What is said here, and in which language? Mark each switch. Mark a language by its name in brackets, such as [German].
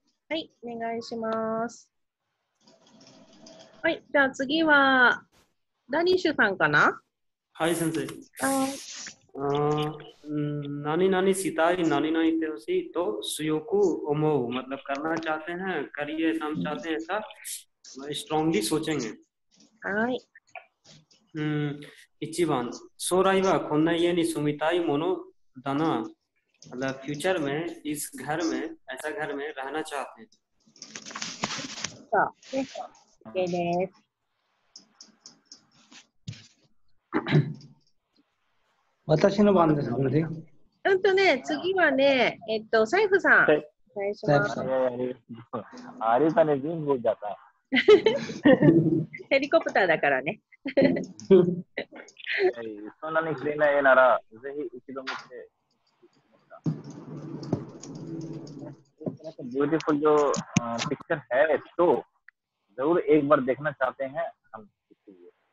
[Japanese] はい、お願いします。はい、じゃあ次は、ダニッシュさんかな？はい、先生。はい。何々したい、何々してほしいと強く思う。 [Hindi] मतलब करना चाहते हैं, करिए हम चाहते हैं ऐसा strongly सोचेंगे. [Japanese] はい。一番、将来はこんな家に住みたいものだな。 [Hindi] मतलब future में इस घर में ऐसा घर में रहना चाहते हैं. [Japanese] そう、OK です。私の番ですので。ね、次はね、サイフさん。はい、サイフさん。あれだね、全部だった。ヘリコプターだからね。そんなに綺麗な絵なら、ぜひ一度見て。 [Hindi] ब्यूटीफुल जो पिक्चर है तो जरूर एक बार देखना चाहते हैं हम इसलिए